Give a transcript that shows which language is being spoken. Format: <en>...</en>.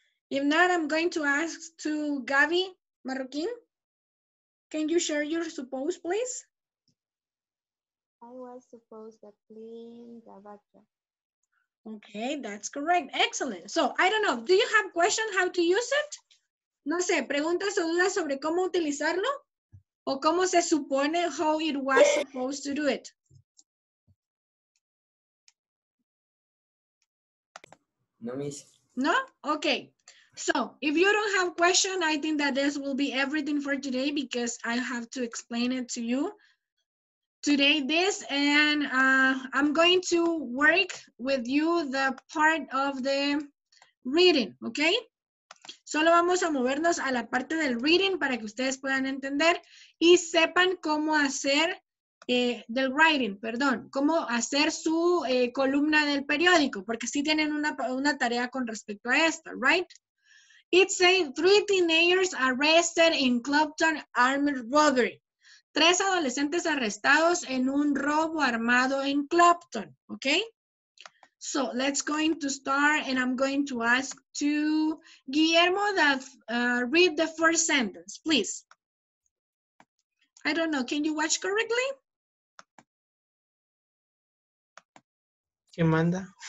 <en>If not, I'm going to ask to Gaby. Marroquín, can you share your suppose, please? I was supposed to clean the bathroom. Okay, that's correct. Excellent. So, I don't know. Do you have questions how to use it?</en> <es>No sé, preguntas o dudas sobre cómo utilizarlo? O cómo se supone</es> <en>how it was supposed to do it? No, miss. No? Okay. So, if you don't have questions, I think that this will be everything for today because I have to explain it to you today, this, and I'm going to work with you the part of the reading, okay?</en> <es>Solo vamos a movernos a la parte del reading para que ustedes puedan entender y sepan cómo hacer del writing, perdón, cómo hacer su columna del periódico, porque sí tienen una tarea con respecto a esta, right?</es> <en>It says three teenagers arrested in Clopton armed robbery.</en> <es>Tres adolescentes arrestados en un robo armado en Clopton.</es> <en>Okay? So let's going to start and I'm going to ask to Guillermo that read the first sentence, please. I don't know, can you watch correctly?</en> <es>¿Qué manda?</es>